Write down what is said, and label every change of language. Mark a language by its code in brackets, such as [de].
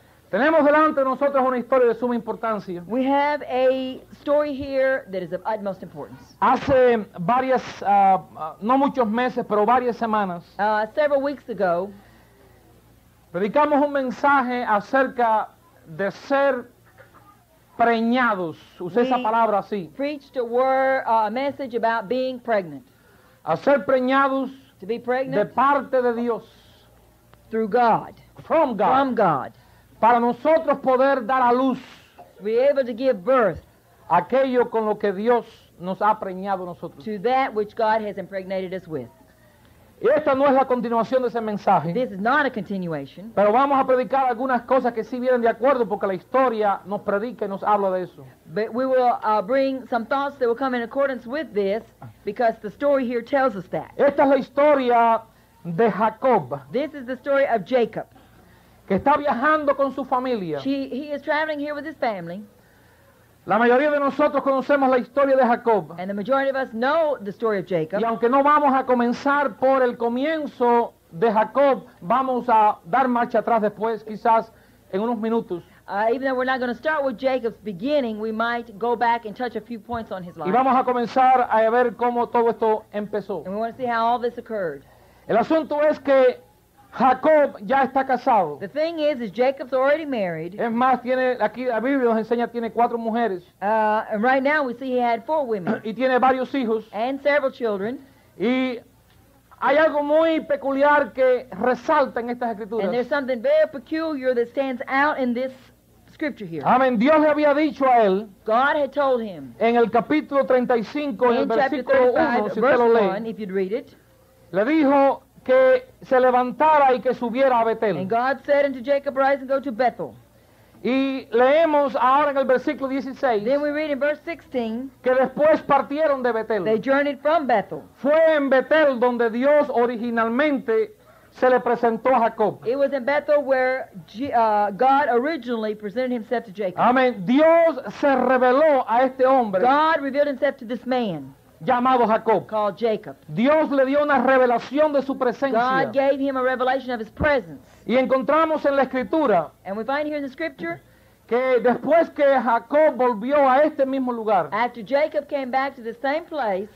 [es] Tenemos delante de nosotros una historia de suma importancia. [en] We have a story here that is of utmost importance. [es] Hace varias, no muchos meses, pero varias semanas. [en] Several weeks ago. [es] Predicamos un mensaje acerca de ser preñados. Usé esa palabra así. [en] We preached a word, a message about being pregnant. [es] A ser preñados. [en] To be pregnant. [es] De parte de Dios. [en] Through God. From God. From God. [es] Para nosotros poder dar a luz. [en] Be able to give birth. [es] Aquello con lo que Dios nos ha preñado nosotros. [en] To that which God has impregnated us with. [es] Y esta no es la continuación de ese mensaje. [en] This is not a continuation. [es] Pero vamos a predicar algunas cosas que sí vienen de acuerdo porque la historia nos predica y nos habla de eso. [en] But we will bring some thoughts that will come in accordance with this because the story here tells us that. [es] Esta es la historia de Jacob. [en] This is the story of Jacob. [es] Que está viajando con su familia. [en] He is traveling here with his family. [es] La mayoría de nosotros conocemos la historia de Jacob. [en] And the majority of us know the story of Jacob. [es] Y aunque no vamos a comenzar por el comienzo de Jacob, vamos a dar marcha atrás después, quizás en unos minutos. [en] Even though we're not going to start with Jacob's beginning, we might go back and touch a few points on his life. [es] Y vamos a comenzar a ver cómo todo esto empezó. [en] And we want to see how all this occurred. [es] El asunto es que Jacob ya está casado. [en] The thing is Jacob's already married. [es] Es más, tiene aquí la Biblia nos enseña tiene cuatro mujeres. [en] And right now we see he had four women. [es] Y tiene varios hijos. [en] And several children. [es] Y hay algo muy peculiar que resalta en estas escrituras. [en] And there's something very peculiar that stands out in this scripture here. [es] Amén. Dios le había dicho a él. [en] God had told him. [es] En el capítulo 35, [en] in [es] en el versículo 1, si usted lo lee. [en] If you'd read it. [es] Le dijo que se levantara y que subiera a Betel. [en] And God said unto Jacob, rise and go to Bethel. [es] Y leemos ahora en el versículo 16. [en] Then we read in verse 16. [es] Que después partieron de Betel. [en] They journeyed from Bethel. [es] Fue en Betel donde Dios originalmente se le presentó a Jacob. [en] It was in Bethel where God originally presented himself to Jacob. [es] Amén. Dios se reveló a este hombre. [en] God revealed himself to this man. [es] Llamado Jacob. [en] Called Jacob. [es] Dios le dio una revelación de su presencia. [en] God gave him a revelation of his presence. [es] Y encontramos en la escritura. [en] And we find here in the scripture. [es] Que después que Jacob volvió a este mismo lugar. [en] After Jacob came back to the same place.